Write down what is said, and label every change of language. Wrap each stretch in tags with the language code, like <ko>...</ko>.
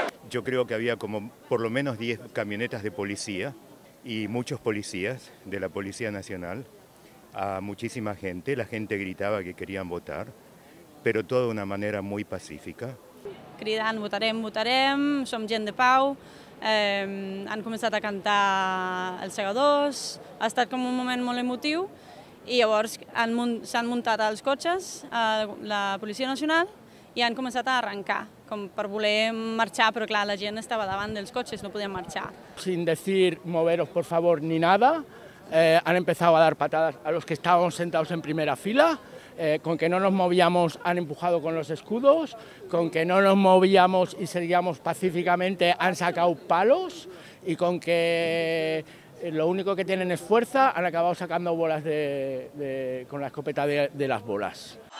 <es>Yo creo que había como por lo menos 10 camionetas de policía y muchos policías de la Policía Nacional a muchísima gente, la gente gritaba que querían votar, pero todo de una manera muy pacífica.</es> <ca>Cridant, votarem, votarem, som gent de pau. Han començat a cantar els segadors, ha estat com un moment molt emotiu i llavors s'han muntat els cotxes a la Policia Nacional i han començat a arrencar, com per voler marxar, però clar, la gent estava davant dels cotxes, no podien marxar.</ca> <es>Sin decir moveros por favor ni nada, han empezado a dar patadas a los que estábamos sentados en primera fila, con que no nos movíamos han empujado con los escudos, con que no nos movíamos y seguíamos pacíficamente han sacado palos y con que lo único que tienen es fuerza han acabado sacando bolas con la escopeta de las bolas.</es>